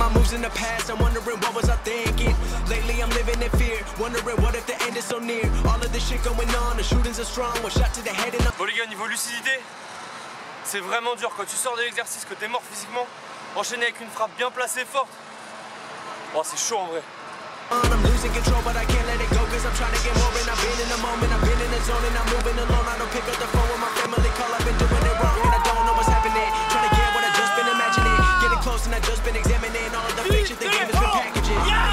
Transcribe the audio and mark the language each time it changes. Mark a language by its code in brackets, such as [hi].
[en] In the past, I'm wondering what was I thinking. Lately, I'm living in fear, wondering what if the end is so near. All of this shit going on, the shootings are strong. One shot to the head and [fr] bon, les gars, niveau lucidité, c'est vraiment dur. Quand tu sors de l'exercice, que t'es mort physiquement, enchaîné avec une frappe bien placée, forte. Oh, c'est chaud en vrai. [en] I'm losing control, but I can't let it go, cause I'm trying to get more. And I've been in the moment, I've been in the zone, and I'm moving alone. I don't pick up the phone when my family call. I've been doing it wrong, and I don't know what's happening. Trying to get what I just been imagining. Getting close, and I just been examining all the fiction the game has been packaging.